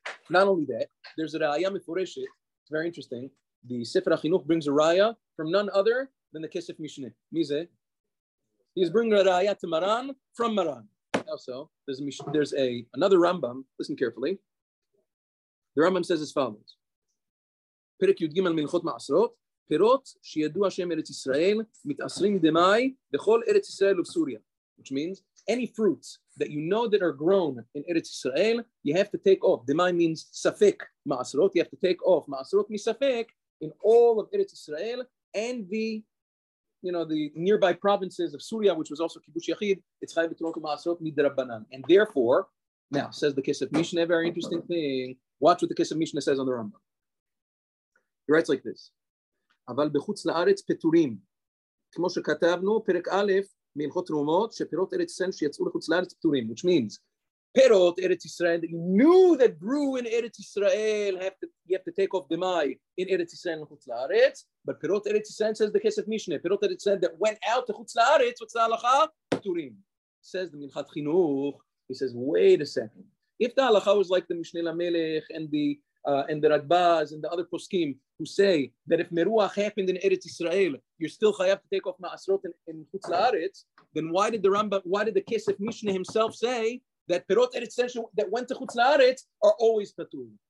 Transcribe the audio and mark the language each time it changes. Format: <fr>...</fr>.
<en>Not only that, there's a Raya Meforeshet. It's very interesting. The Sefer HaChinuch brings a Raya from none other than the Kesef Mishneh. Mize. He's bringing a Raya to Maran from Maran. Also, there's another Rambam. Listen carefully. The Rambam says as follows.</en> <he>פרק י"ג מלכות מעשרות, פירות שידוע שהם ארץ ישראל, מתעשרים דמי בכל ארץ ישראל ובסוריה.</he> <en>Which means, any fruits that you know that are grown in ארץ ישראל, you have to take off. דמי means ספק מעשרות, you have to take off מעשרות מספק in all of ארץ ישראל and the, you know, the nearby provinces of Syria, which was also כיבוש יחיד, it's</en> <he>חייב לתרוק מעשרות מדרבנן.</he> <en>And therefore, now, says the Kesef Mishneh, very interesting thing, watch what the Kesef Mishneh says on the Rambam. He writes like this.</en> <he>אבל בחוץ לארץ פטורים. כמו שכתבנו, פרק א', מהלכות תרומות, שפירות ארץ ישראל שיצאו לחוץ לארץ פטורים,</he> <en>which means, פירות ארץ ישראל, that you knew that grew in ארץ ישראל, you have to take off דמי in ארץ ישראל לחוץ לארץ, but פירות ארץ ישראל says the כסף משנה, פירות ארץ ישראל that went out לחוץ לארץ, what's the הלכה?</en> <he>פטורים.</he> <en>Says the מלכת חינוך, he says, wait a second. If the הלכה was like the משנה למלך and the Radbaz and the other poskim who say that if meruach happened in Eretz Yisrael, you're still chayav to take off ma'asrot in Chutz La'aretz, then why did the Rambam, why did the Kesef Mishneh himself say that perot Eretz Yisrael that went to Chutz La'aretz are always patur?</en>